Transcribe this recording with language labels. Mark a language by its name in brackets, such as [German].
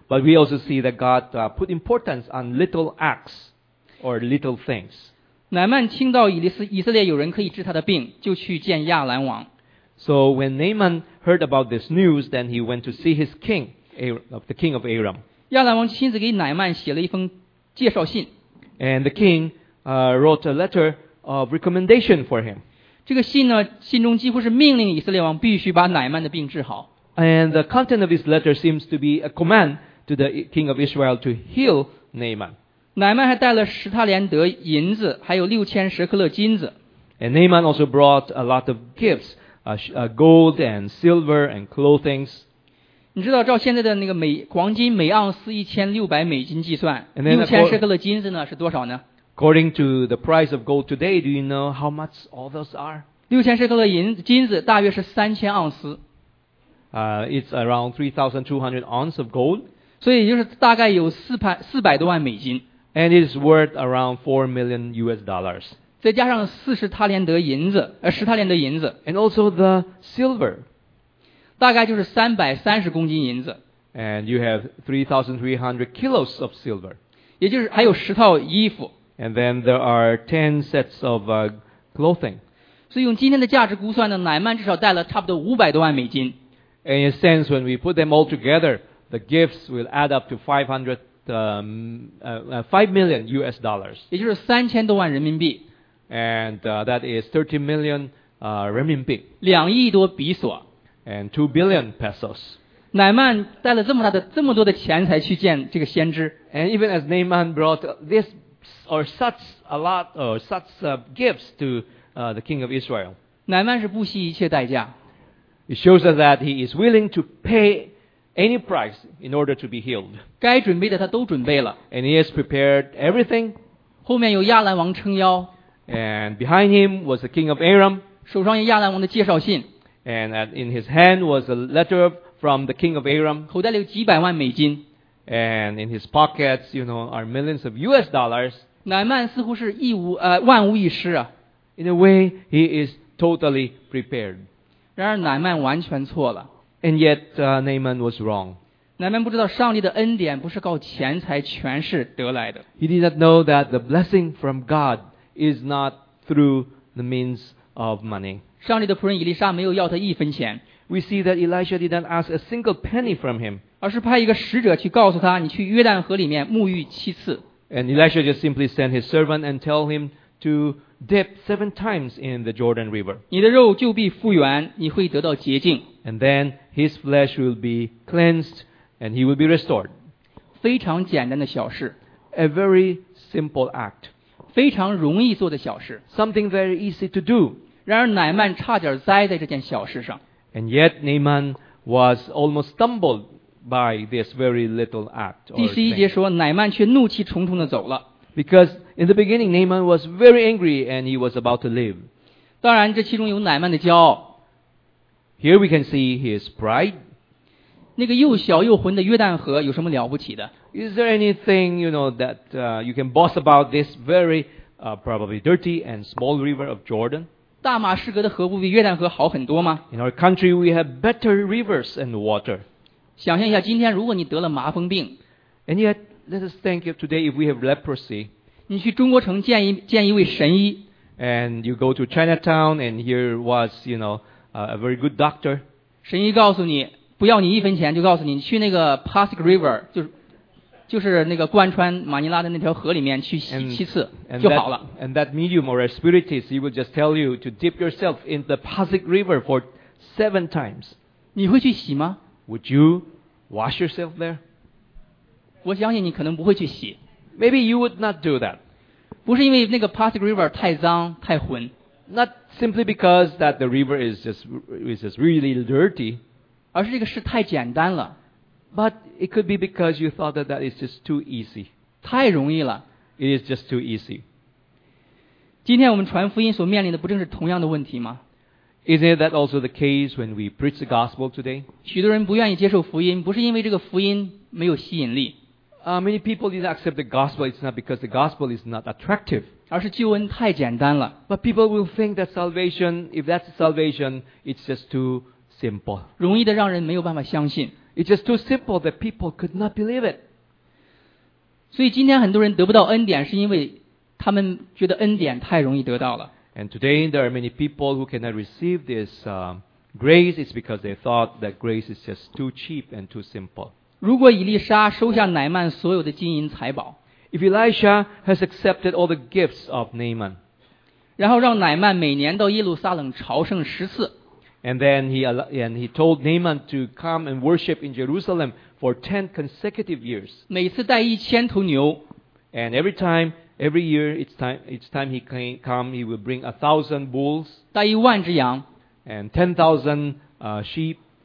[English] But we also see that God put importance on little acts or little things. [Chinese] 乃曼听到以色列有人可以治他的病，就去见亚兰王。 [English] So when Naaman heard about this news, then he went to see his king, the king of Aram. [Chinese] 亚兰王亲自给乃曼写了一封介绍信。 [English] And the king wrote a letter of recommendation for him. [Chinese] 这个信呢，信中几乎是命令以色列王必须把乃曼的病治好。 [English] And the content of his letter seems to be a command to the king of Israel to heal Naaman. [Chinese] 乃曼还带了十他连德银子，还有六千舍克勒金子。 [English] And Naaman also brought a lot of gifts. Gold and silver and clothing. [Chinese] 你知道照现在的那个黄金每盎司1600美金计算，六千舍克勒金子呢是多少呢 [English] ？According to the price of gold today, do you know how much all those are? [Chinese] 六千舍克勒金子大约是3000盎司。 [English] It's around 3,200 ounces of gold. [Chinese] 所以就是大概有400多万美金。 [English] And it's worth around $4 million. [Chinese] 再加上十他连德银子 [English] and also the silver [Chinese] 大概就是330公斤银子 [English] and you have 3,300 kilos of silver [Chinese] 也就是还有10套衣服 [English] and then there are 10 sets of clothing [Chinese] 所以用今天的价值估算呢乃曼至少带了差不多500多万美金 [English] and in a sense when we put them all together the gifts will add up to 5 million US dollars [Chinese] 也就是3000多万人民币 [English] And that is 30 million renminbi. [Chinese] 两亿多比索 [English] And 2 billion pesos. [Chinese] 乃曼带了这么多的钱财去见这个先知 [English] And even as Naaman brought this or such a lot or such gifts to the king of Israel. [Chinese] 乃曼是不惜一切代价 [English] It shows us that he is willing to pay any price in order to be healed. [Chinese] 该准备的他都准备了 [English] And he has prepared everything. [Chinese] 后面有亚兰王撑腰 [English] And behind him was the king of Aram. [Chinese] 手上有亚兰王的介绍信。 [English] And in his hand was a letter from the king of Aram. [Chinese] 口袋里有几百万美金。 [English] And in his pockets, you know, are millions of US dollars. [Chinese] 乃曼似乎是万无一失啊。 [English] In a way, he is totally prepared. [Chinese] 然而乃曼完全错了。 [English] And yet, Naaman was wrong. [Chinese] 乃曼不知道上帝的恩典不是靠钱财权势得来的。 [English] He did not know that the blessing from God is not through the means of money. [Chinese] 上帝的仆人以利沙没有要他一分钱。 [English] We see that Elisha did not ask a single penny from him. [Chinese] 而是派一个使者去告诉他，你去约旦河里面沐浴七次。 [English] And Elisha just simply sent his servant and tell him to dip 7 times in the Jordan River. [Chinese] 你的肉就必复原，你会得到洁净。 [English] And then his flesh will be cleansed and he will be restored. [Chinese] 非常简单的小事。 [English] A very simple act. [Chinese] 非常容易做的小事。 [English] Something very easy to do. [Chinese] 然而乃曼差点栽在这件小事上。 [English] And yet Naaman was almost stumbled by this very little act. [Chinese] 第十一节说，乃曼却怒气冲冲地走了。 [English] Because in the beginning, Naaman was very angry and he was about to leave. [Chinese] 当然，这其中有乃曼的骄傲。 [English] Here we can see his pride. [Chinese] 那个又小又浑的约旦河有什么了不起的？ [English] Is there anything you know that you can boast about this very probably dirty and small river of Jordan? [Chinese] 大马士革的河不比约旦河好很多吗？ [English] In our country, we have better rivers and water. [Chinese] 想象一下，今天如果你得了麻风病， [English] and yet let us think of today if we have leprosy. [Chinese] 你去中国城见一位神医， [English] and you go to Chinatown and here was you know a very good doctor. [Chinese] 神医告诉你不要你一分钱，就告诉你去那个 Pasig River 就是那个贯穿马尼拉的那条河里面去洗七次就好了。 [English] And that medium or a spiritist, he would just tell you to dip yourself in the Pasig River for 7 times. [Chinese] 你会去洗吗？ [English] Would you wash yourself there? [Chinese] 我相信你可能不会去洗。 [English] Maybe you would not do that. [Chinese] 不是因为那个 Pasig River 太脏太浑。 [English] Not simply because that the river is just really dirty. [Chinese] 而是这个事太简单了。 [English] But it could be because you thought that is just too easy. [Chinese] 太容易了。 [English] It is just too easy. [Chinese] 今天我们传福音所面临的不正是同样的问题吗？ [English] Isn't that also the case when we preach the gospel today? [Chinese] 许多人不愿意接受福音，不是因为这个福音没有吸引力。 [English] Many people didn't accept the gospel. It's not because the gospel is not attractive. [Chinese] 而是救恩太简单了。 [English] But people will think that salvation, if that's salvation, it's just too simple. [Chinese] 容易的让人没有办法相信。 [English] It's just too simple that people could not believe it. [Chinese] 所以今天很多人得不到恩典是因为他们觉得恩典太容易得到了。 [English] And today there are many people who cannot receive this grace. It's because they thought that grace is just too cheap and too simple. [Chinese] 如果以利沙收下乃曼所有的金银财宝， [English] If Elisha has accepted all the gifts of Naaman, [Chinese] 然后让乃曼每年到耶路撒冷朝圣10次， [English] And then he told Naaman to come and worship in Jerusalem for 10 consecutive years. [Chinese] 每次带1000头牛。 [English] And every year it's time he came, he will bring 1,000 bulls. [Chinese] 带10,000只羊。 [English] And 10,000 sheep.